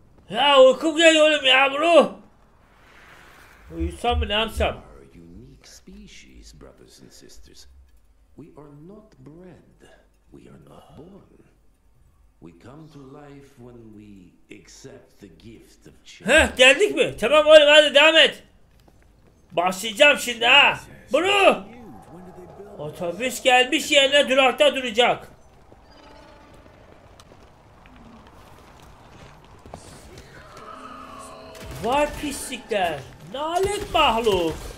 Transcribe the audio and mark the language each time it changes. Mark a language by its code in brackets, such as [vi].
[tr] Ya uyku geliyor oğlum ya bro. Uyusam mı ne yapsam? [en] We are a unique species, brothers and sisters. We are not bred. We are not born. We come to life when we accept the gift of chance. [tr] Heh, geldik mi? Tamam oğlum, hadi devam et. Başlayacağım şimdi ha. Bro! Otobüs gelmiş yerine durakta duracak. Vay pislikler. Nalet mahluk.